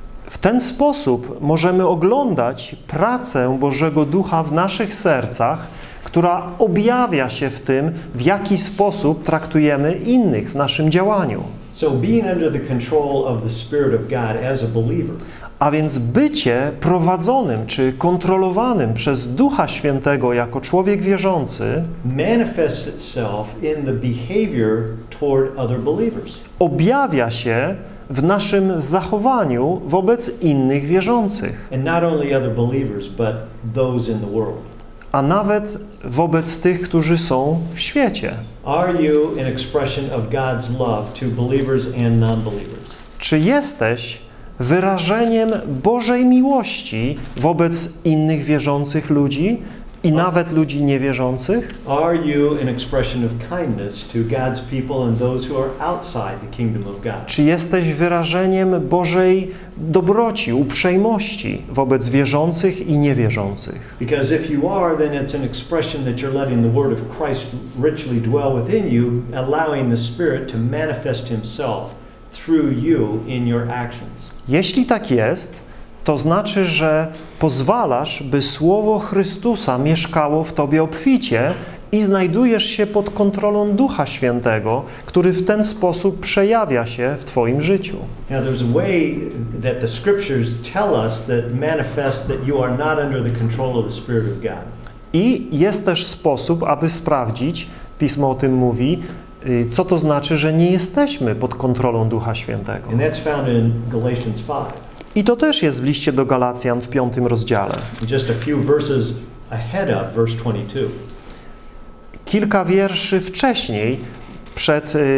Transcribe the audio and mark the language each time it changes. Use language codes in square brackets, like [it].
[pl] W ten sposób możemy oglądać pracę Bożego Ducha w naszych sercach, która objawia się w tym, w jaki sposób traktujemy innych w naszym działaniu. [en] So being under the control of the Spirit of God as a believer. [pl] A więc bycie prowadzonym czy kontrolowanym przez Ducha Świętego jako człowiek wierzący [en] manifests itself in the behavior toward other believers. [pl] Objawia się w naszym zachowaniu wobec innych wierzących. [en] And not only other believers, but those in the world. [pl] A nawet wobec tych, którzy są w świecie. [en] Are you an expression of God's love to believers and non-believers? [pl] Czy jesteś wyrażeniem Bożej miłości wobec innych wierzących ludzi i nawet ludzi niewierzących? [en] Are you an expression of kindness to God's people and those who are outside the kingdom of God? [pl] Czy jesteś wyrażeniem Bożej dobroci, uprzejmości wobec wierzących i niewierzących? [en] Because if you are, then it's an expression that you're letting the word of Christ richly dwell within you, allowing the Spirit to manifest himself through you in your actions. [pl] Jeśli tak jest, to znaczy, że pozwalasz, by Słowo Chrystusa mieszkało w tobie obficie i znajdujesz się pod kontrolą Ducha Świętego, który w ten sposób przejawia się w twoim życiu. [en] Now there's a way that the scriptures tell us that manifest that you are not under the control of the Spirit of God. [pl] I jest też sposób, aby sprawdzić, Pismo o tym mówi, co to znaczy, że nie jesteśmy pod kontrolą Ducha Świętego. [en] And that's found in Galatians 5. [pl] I to też jest w liście do Galacjan w 5 rozdziale. [en] Just a few verses ahead of verse 22. [pl] Kilka wierszy wcześniej przed